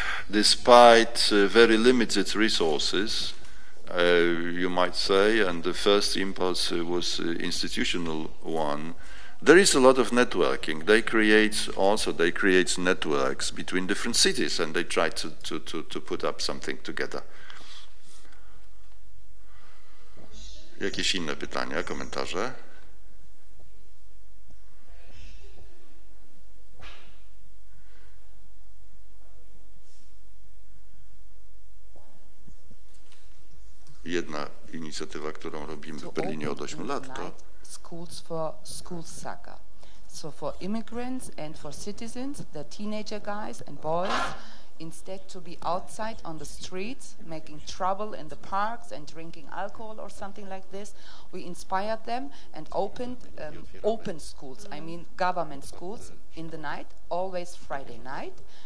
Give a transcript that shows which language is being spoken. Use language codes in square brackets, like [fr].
[en] Despite very limited resources, you might say, and the first impulse was institutional one, there is a lot of networking. They create networks between different cities, and they try to put up something together. [pl] Jakieś inne pytania, komentarze? Jedna inicjatywa, którą robimy w Berlinie od 8 lat, to [en] schools for school soccer. So for immigrants and for citizens, the teenager guys and boys, instead to be outside on the streets, making trouble in the parks and drinking alcohol or something like this, we inspired them and opened open schools, I mean government schools, in the night, always Friday night.